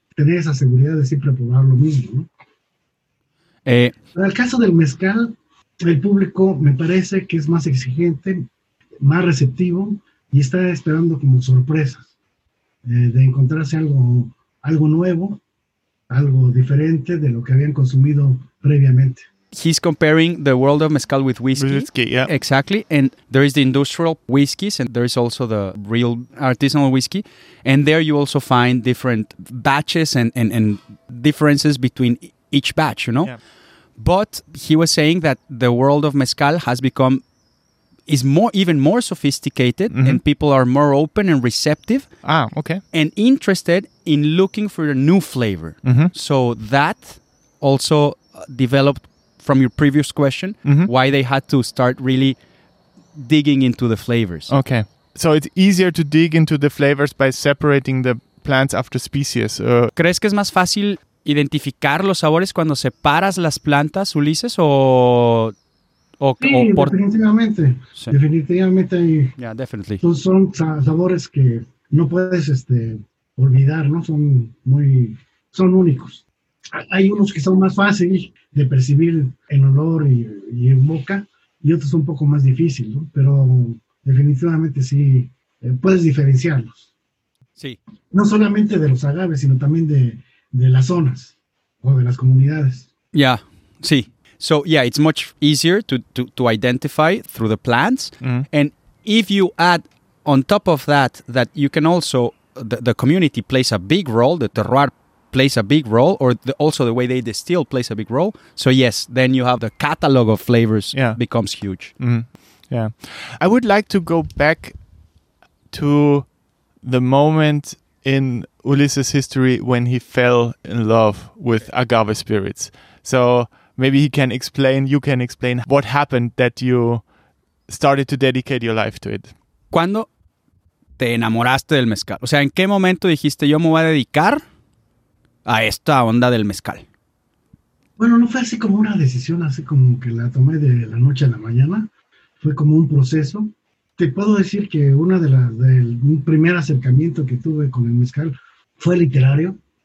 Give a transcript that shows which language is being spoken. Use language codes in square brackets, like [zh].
[es] Tener esa seguridad de siempre probar lo mismo, ¿no? En el caso del mezcal, el público me parece que es más exigente, más receptivo y está esperando como sorpresas de encontrarse algo nuevo, algo diferente de lo que habían consumido previamente. [en] He's comparing the world of mezcal with whiskey. Whiskey, yeah. Exactly. And there is the industrial whiskeys and there is also the real artisanal whiskey. And there you also find different batches and differences between each batch, you know? Yeah. But he was saying that the world of mezcal has become, is more, even more sophisticated, mm-hmm. and people are more open and receptive. Ah, okay. And interested in looking for a new flavor. Mm-hmm. So that also developed from your previous question, mm-hmm. why they had to start really digging into the flavors. Okay. So it's easier to dig into the flavors by separating the plants after species. [es] ¿Crees que es más fácil identificar los sabores cuando separas las plantas, Ulises, o definitivamente. Sí. Definitivamente. [en] Yeah, definitely. [es] Son sabores que no puedes olvidar, ¿no? Son únicos. Hay unos que son más fáciles de percibir en olor y en boca y otros un poco más difícil, ¿no? Pero definitivamente sí, puedes diferenciarlos. Sí. No solamente de los agaves, sino también de las zonas o de las comunidades. [en] Yeah, [es] sí. [en] So, yeah, it's much easier to identify through the plants. Mm-hmm. And if you add on top of that you can also, the community plays a big role, the terroir plays a big role, or also the way they distill plays a big role. So yes, then you have the catalog of flavors becomes huge. Mm-hmm. Yeah. I would like to go back to the moment in Ulises' history when he fell in love with agave spirits. So maybe you can explain what happened that you started to dedicate your life to it. [es] ¿Cuándo te enamoraste del mezcal? O sea, ¿en qué momento dijiste yo me voy a dedicar a esta onda del mezcal? Bueno, no fue así como una decisión, así como que la tomé de la noche a la mañana. Fue como un proceso. Te puedo decir que una de las del primer acercamiento que tuve con el mezcal fue literario.